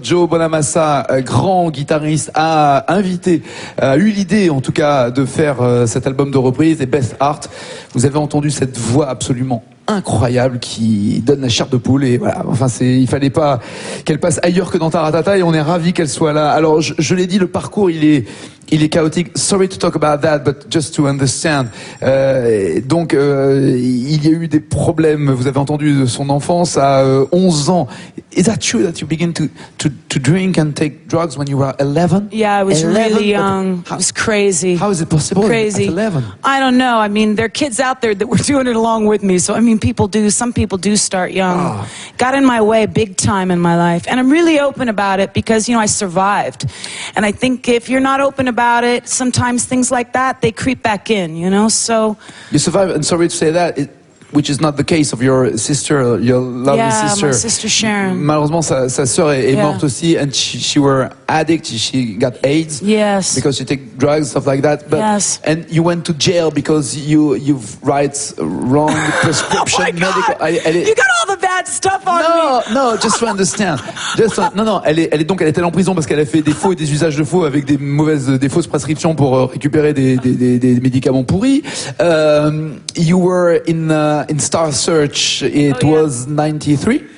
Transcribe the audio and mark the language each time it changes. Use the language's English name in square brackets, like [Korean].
[French] Joe Bonamassa, grand guitariste, a invité, a eu l'idée en tout cas de faire cet album de reprise. Et Beth Hart, vous avez entendu cette voix absolument incroyable qui donne la chair de poule, et voilà, enfin c'est, il fallait pas qu'elle passe ailleurs que dans Taratata, et on est ravis qu'elle soit là. Alors je l'ai dit, le parcours il est chaotique. [English] Sorry to talk about that, but just to understand. [French] Donc il y a eu des problèmes, vous avez entendu, de son enfance à 11 ans. [English] Is that true that you begin to drink and take drugs when you were 11? Yeah, I was 11? Really young. It was crazy. How is it possible? Crazy. At 11? I don't know. I mean, there are kids out there that were doing it along with me. So I mean, some people do start young. Oh. Got in my way big time in my life, and I'm really open about it because, you know, I survived. And I think if you're not open about it, sometimes things like that, they creep back in, you know. So you survived, and sorry to say that, which is not the case of your sister, your lovely sister. Yeah, my sister Sharon. [French] Malheureusement, sa sœur est morte aussi, [English] and she were addict. She got AIDS. Yes. Because she take drugs, stuff like that. But, yes. And you went to jail because you've write wrong prescription. Oh my medical. God! You got all the bad stuff on no, me. No, no, just to understand. [French] Elle est en prison parce qu'elle a fait des faux et des usages de faux avec des fausses prescriptions pour récupérer des médicaments pourris. [English] You were in Star Search, it was 93.